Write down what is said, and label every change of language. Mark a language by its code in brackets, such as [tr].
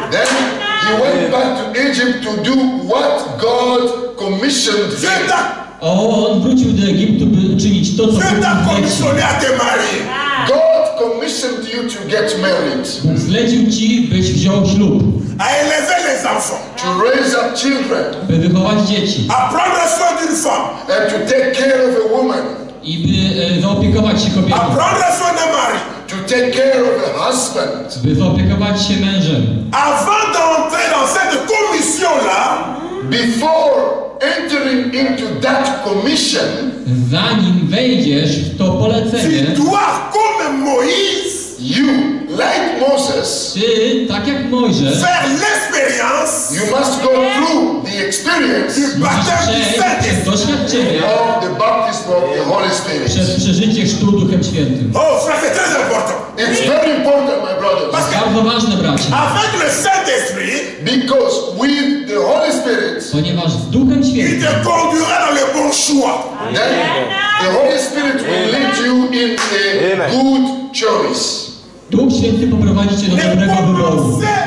[en] Then he went back to Egypt to do what God commissioned him. [pl] On wrócił do Egiptu, by czynić to, co Bóg zlecił. [en] God commissioned you to get married. [pl] Bóg zlecił ci, byś wziął ślub. [fr] A élever les enfants. [en] To raise up children. [pl] By wychować dzieci. [fr] A prendre soin d'une femme. [en] And to take care of a woman. [pl] I by zaopiekować się kobietą. [fr] A prendre soin de mari. [en] To take care of a husband. [pl] By zaopiekować się mężem. [fr] Avant d'entrer dans cette commission-là. [en] Before entering into that commission. [pl] Zanim wejdziesz w to polecenie. [fr] Tu dois comme Moïse. [en] You, like Moses, [pl] ty, tak jak Mojżesz, [fr] faire l'expérience, [en] you must go through the experience, [pl] doświadczenie [en] of the baptism of the Holy Spirit. [pl] Przez przeżycie chrztu Duchem Świętym. [fr] Oh, frère, c'est très important. [en] It's very important, my brother. [pl] Bardzo ważne, bracie. [fr] Avec le Saint-Esprit, [en] because with the Holy Spirit, [pl] ponieważ z Duchem Świętym, [fr] il te conduira dans le bon choix. [en] Then, the Holy Spirit will lead you in a good choice. [pl] Duch Święty poprowadzi cię do dobrego wyboru.